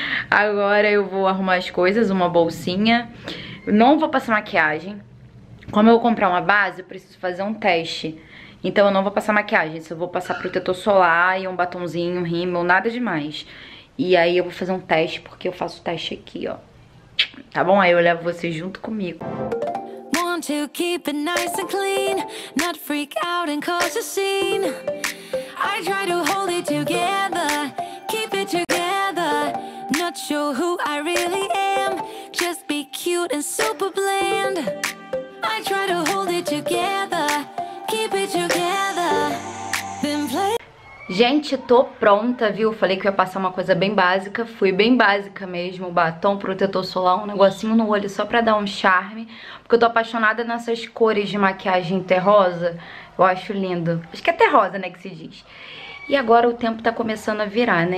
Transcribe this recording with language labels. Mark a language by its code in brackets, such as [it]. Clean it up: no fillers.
[pt] Agora eu vou arrumar as coisas, uma bolsinha. Não vou passar maquiagem. Como eu vou comprar uma base, eu preciso fazer um teste. Então eu não vou passar maquiagem, só vou passar protetor solar e um batonzinho, um rímel, nada demais. E aí eu vou fazer um teste, porque eu faço teste aqui, ó. Tá bom? Aí eu levo você junto comigo. [en] Want to keep it nice and clean, not freak out and cause a scene. I try to hold it together, keep it together. Not sure who I really am, just be cute and super bland. I try to hold it together, keep it together. [pt] Gente, tô pronta, viu? Falei que eu ia passar uma coisa bem básica. Fui bem básica mesmo, batom, protetor solar, um negocinho no olho só pra dar um charme. Porque eu tô apaixonada nessas cores de maquiagem terrosa. Eu acho lindo. Acho que é terrosa, né, que se diz. E agora o tempo tá começando a virar, né?